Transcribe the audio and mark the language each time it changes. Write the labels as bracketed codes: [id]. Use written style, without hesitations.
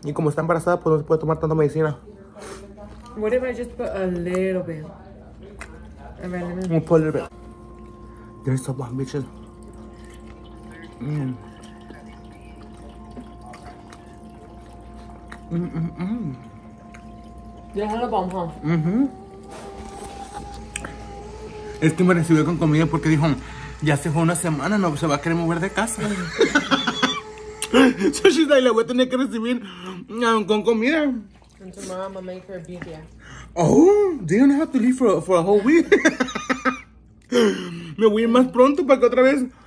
[es] Y como está embarazada, pues no se puede tomar tanta medicina. [en] What if I just put a little bit? I'm gonna pull it a bit. There's so much, bitches. They're [es] Mm-hmm. Es que me recibió con comida porque dijo, ya se fue una semana, no se va a querer mover de casa. [en] So she's like, [es] la voy a tener que recibir con comida. [en] And tomorrow I'm gonna make her a bibia. Oh, they don't have to leave for a whole week. [es] Me voy a ir más pronto para que otra vez.